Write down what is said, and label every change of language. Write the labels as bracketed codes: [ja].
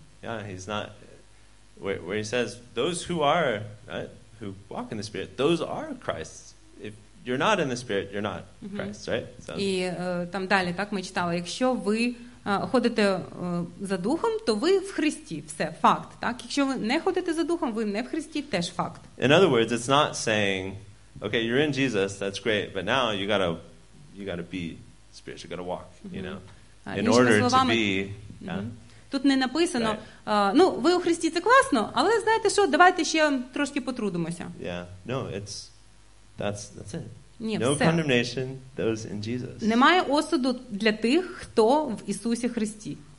[en] Yeah, he's not where he says those who are right, who walk in the Spirit, those are Christ's. If you're not in the Spirit, you're not Christ, right? So. [uk] І там далі, так, ми читали, якщо ви ходите за духом, то ви в Христі. Все, факт, так? Якщо ви не ходите за духом, ви не в Христі, теж факт. [en] In other words, it's not saying, okay, you're in Jesus, that's great, but now you got to be spiritual, you got to walk, you know. In order [uk] словами, [en] to be. Yeah? [uk] Тут не написано, ну, ви у Христі, це класно, але знаєте що, давайте ще трошки потрудимося. [en] Yeah. No, that's it. [uk] Ні, [en] no [uk] все. [en] Condemnation those in Jesus. [uk] Немає осуду для тих, хто в Ісусі Христі.